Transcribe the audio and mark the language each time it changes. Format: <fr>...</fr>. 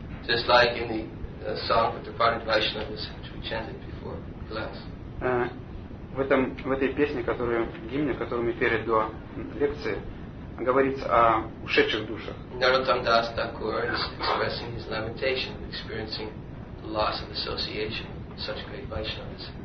<en>Just like in the song of departed Vaishnavas, which we chanted before class.</en> <ru>В этой песне, гимне, которую мы пели до лекции, говорится о ушедших душах.</ru> <en>Narottam Das Thakur is expressing his lamentation of experiencing the loss of association with such great Vaishnavas.</en>